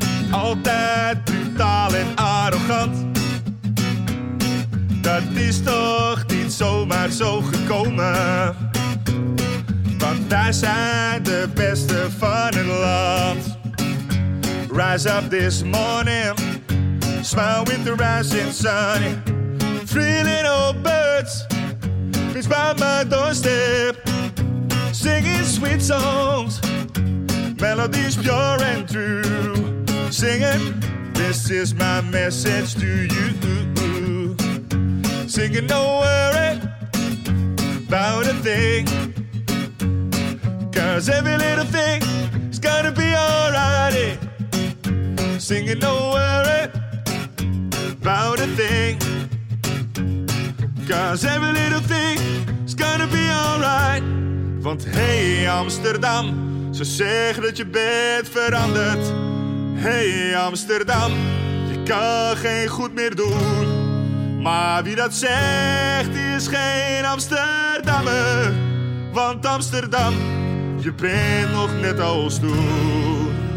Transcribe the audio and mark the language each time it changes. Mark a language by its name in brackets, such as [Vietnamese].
[Dutch] Altijd brutaal en arrogant. Dat is toch niet zomaar zo gekomen, want wij zijn de beste van het land. [English] Rise up this morning, smile with the rising sun. Three little birds, meets by my doorstep. Singing sweet songs, melodies pure and true. Singing, this is my message to you. Singing, don't worry about a thing. Cause every little thing is gonna be alright. Singing, don't worry about a thing. Cause every little thing is gonna be alright. [Dutch] Want hey Amsterdam, ze zeggen dat je bent veranderd. Hey Amsterdam, kan geen goed meer doen. Maar wie dat zegt is geen Amsterdammer. Want Amsterdam, je bent nog net als toen.